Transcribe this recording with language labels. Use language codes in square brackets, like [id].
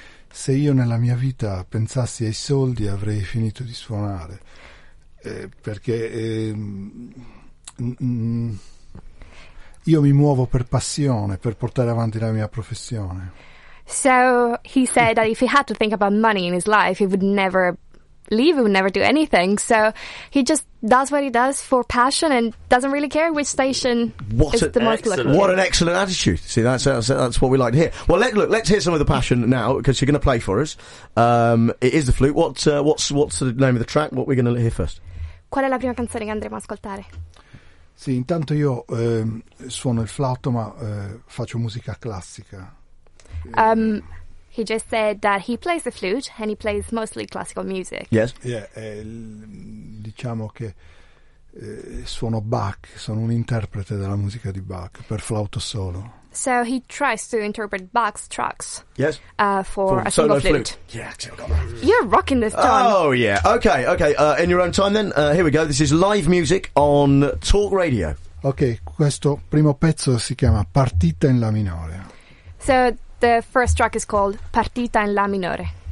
[it] Se io nella mia vita pensassi ai soldi avrei finito di suonare perché io mi muovo per passione, per portare avanti la mia professione. [en] So he said that if he had to think about money in his life he would never leave, he would never do anything, so he just does what he does for passion and doesn't really care which station what is the excellent. Most lucky. What an excellent attitude. See, that's what we like to hear. Well, let's hear some of the passion now, because you're going to play for us. It is the flute. What's the name of the track? What we're going to hear first? [it] Qual è la prima canzone che andremo a ascoltare? Sì, intanto io suono il flauto, ma faccio musica classica. [en] He just said that he plays the flute and he plays mostly classical music. Yes. [it] Yeah, diciamo che suono Bach, sono un interprete della musica di Bach per flauto solo. [en] So he tries to interpret Bach's tracks. Yes. For a solo flute. Yeah, you're rocking this, John. Oh yeah. Okay. In your own time then. Here we go. This is Live Music on Talk Radio. [it] Okay, questo primo pezzo si chiama Partita in La Minore. [en] So the first track is called Partita in La Minore.